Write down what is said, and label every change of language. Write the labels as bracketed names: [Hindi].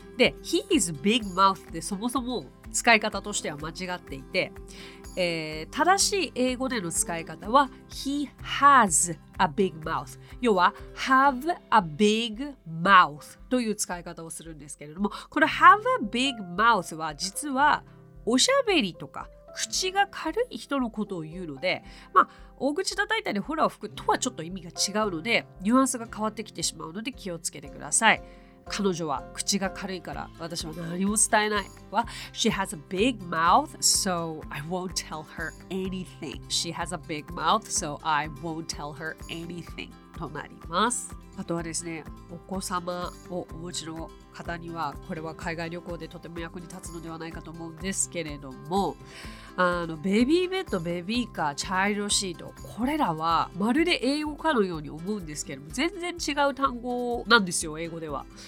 [Japanese] で [English] He's a big mouth [Japanese] ってそもそも使い方としては間違っていて、正しい英語での使い方は [English] He has a big mouth、 [Japanese] 要は [English] Have a big mouth [Japanese] という使い方をするんですけれども、この Have a big mouth は実はおしゃべりとか口が軽い人のことを言うので、まあ大口叩いたりホラーを吹くとはちょっと意味が違うのでニュアンスが変わってきてしまうので気をつけてください。彼女は口が軽いから私は何も伝えない。 [English] She has a big mouth, so I won't tell her anything. She has a big mouth, so I won't tell her anything. [Japanese] となります。あとはですね、お子様をお持ちの方にはこれは海外旅行でとても役に立つのではないかと思うんですけれども、あのベビーベッド、ベビーカー、チャイルドシート、これらはまるで英語かのように思うんですけれども、全然違う単語なんですよ、英語では。